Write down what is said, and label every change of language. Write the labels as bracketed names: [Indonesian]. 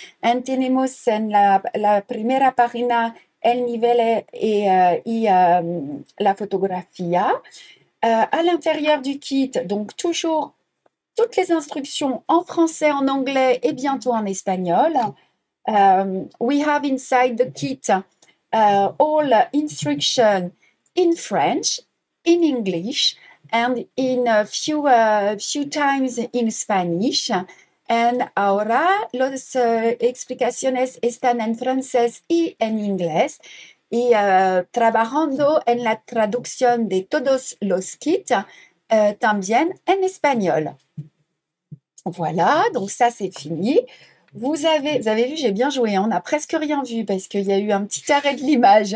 [Spanish] And tenemos en la primera página el nivel la fotografía. [French] À l'intérieur du kit, donc toujours toutes les instructions en français, en anglais et bientôt en espagnol. [English] We have inside the kit all instructions in French, in English, and in a few times in Spanish. [Spanish] And ahora las explicaciones están en francés y en inglés. Y trabajando en la traducción de todos los kits, también en espagnol. [French] Voilà, donc ça c'est fini. Vous avez vu, j'ai bien joué, on n'a presque rien vu parce qu'il y a eu un petit arrêt de l'image.